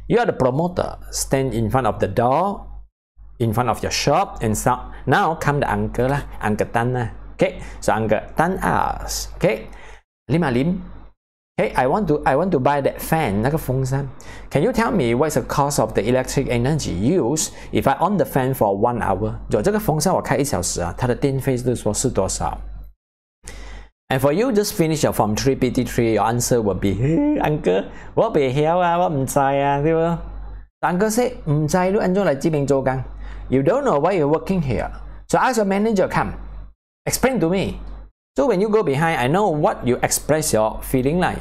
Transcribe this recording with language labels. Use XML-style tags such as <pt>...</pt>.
<en>You are the promoter, stand in front of the door,in front of your shop and so now come the uncle lah, uncle Tan lah. Okay, so uncle Tan asks, okay, Lim Alim, okay, I want to buy that fan,</en> <zh>那个风扇.</zh> <en>Can you tell me what's the cost of the electric energy used if I on the fan for 1 hour?</en> <zh>就这个风扇我开一小时啊，它的电费是说是多少？</zh> <en>And for you, just finish your form 3 PT3, your answer will be, uncle,</en> <zh>我不晓啊，我唔知啊，对不？</zh> <en>Uncle said,</en> <zh>不知道安怎来这边做工。</zh> <en>You don't know why you're working here. So ask your manager come. Explain to me. So when you go behind, I know what you express your feeling like.</en>